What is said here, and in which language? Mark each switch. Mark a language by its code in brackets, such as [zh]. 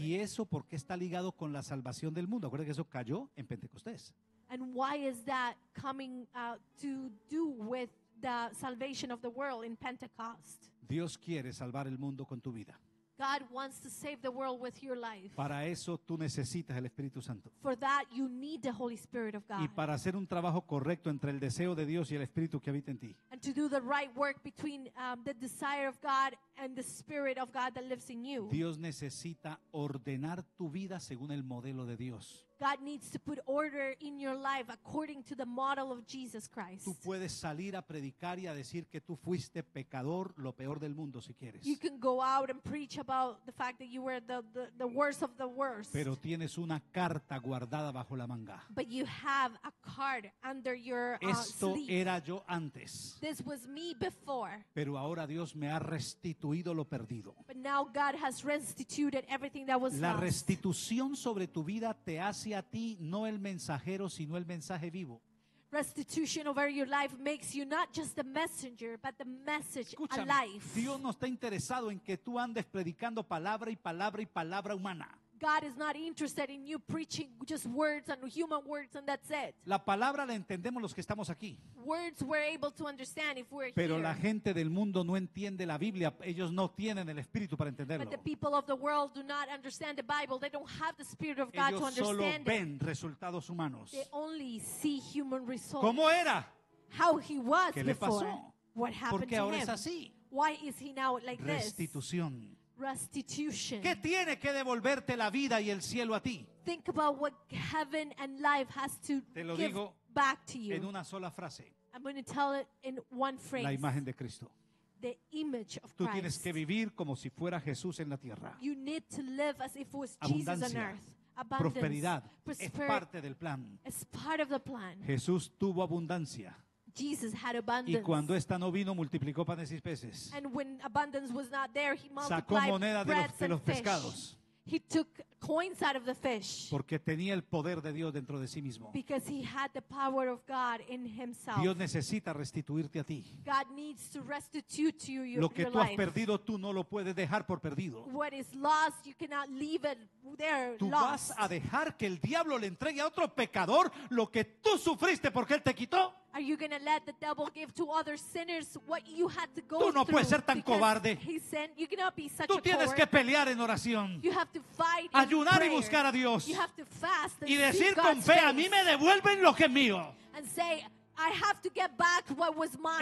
[es] ¿Y eso por qué está ligado con la salvación del mundo? Acuérdate que eso cayó en Pentecostés. [en] And why is that coming to do with the salvation of the world in Pentecost? [es] Dios quiere salvar el mundo con tu vida. [en] God wants to save the world with your life. [es] Para eso tú necesitas el Espíritu Santo. [en] For that you need the Holy Spirit of God. [es] Y para hacer un trabajo correcto entre el deseo de Dios y el Espíritu que habita en ti. [en] And to do the right work between the desire of God and the Spirit of God that lives in you. [es] Dios necesita ordenar tu vida según el modelo de Dios. [en] God needs to put order in your life according to the model of Jesus Christ. [es] Tú puedes salir a predicar y a decir que tú fuiste pecador, lo peor del mundo, si quieres. [en] You can go out and preach about the fact that you were the worst of the worst. [es] Pero tienes una carta guardada bajo la manga. [en] But you have a card under your sleeve. [es] Esto era yo antes. [en] This was me before. [es] Pero ahora Dios me ha restituido lo perdido. [en] But now God has restituted everything that was lost. [es] La restitución sobre tu vida te hace hacia ti no el mensajero sino el mensaje vivo. [en] Restitution over your life makes you not just the messenger but the message. [es] Escúchame, [en] alive. [es] Dios no está interesado en que tú andes predicando palabra y palabra y palabra humana. [en] God is not interested in you preaching just words and human words and that's it. [es] La palabra la entendemos los que estamos aquí. [en] Words we're able to understand if we're [es] pero [en] here. [es] Pero la gente del mundo no entiende la Biblia. Ellos no tienen el Espíritu para entenderlo. [en] But the people of the world do not understand the Bible. They don't have the Spirit of God [es] ellos [en] to understand it. [es] Ellos solo ven resultados humanos. [en] They only see human results. [es] ¿Cómo era? [en] How he was [es] ¿qué [en] before? [es] Le pasó? [en] What happened [es] porque [en] to [es] ahora [en] him? [es] Es así. [en] Why is he now like [es] restitución. [en] This? Restitution. [es] ¿Qué tiene que devolverte la vida y el cielo a ti? [en] Think about what heaven and life has to [es] te lo digo [en] give back to you. [es] En una sola frase. [en] I'm going to tell it in one phrase. [es] La imagen de Cristo. [en] The image of [es] tú [en] Christ. [es] Tú tienes que vivir como si fuera Jesús en la tierra. [en] You need to live as if it was [es] abundancia, [en] Jesus on earth. [es] Abundance, prosperidad. Prosperity es parte del plan. [en] It's part of the plan. [es] Jesús tuvo abundancia. [en] Jesus had abundance. [es] Y cuando esta no vino, multiplicó panes y peces. [en] And when abundance was not there, he multiplied [es] sacó moneda [en] breads [es] de los [en] and fish. [es] Pescados. [en] He took coins out of the fish. [es] Porque tenía el poder de Dios dentro de sí mismo. [en] Because he had the power of God in himself. [es] Dios necesita restituirte a ti. [en] God needs to restitute to you your life. [es] Lo que tú [en] life. [es] Has perdido, tú no lo puedes dejar por perdido. [en] What is lost, you cannot leave it there [es] tú [en] lost. [es] ¿Vas a dejar que el diablo le entregue a otro pecador lo que tú sufriste porque él te quitó? [en] Are you going to let the devil give to other sinners what you had to go through? [es] Tú no [en] through [es] puedes ser tan cobarde. [en] He said, you cannot be such [es] tú tienes a coward. Que pelear en oración. [en] You have to fight. [es] Ayunar y buscar a Dios. [en] You have to fast [es] y decir con fe, a mí me devuelven lo que es mío. [en] And say, I have to get back what was mine.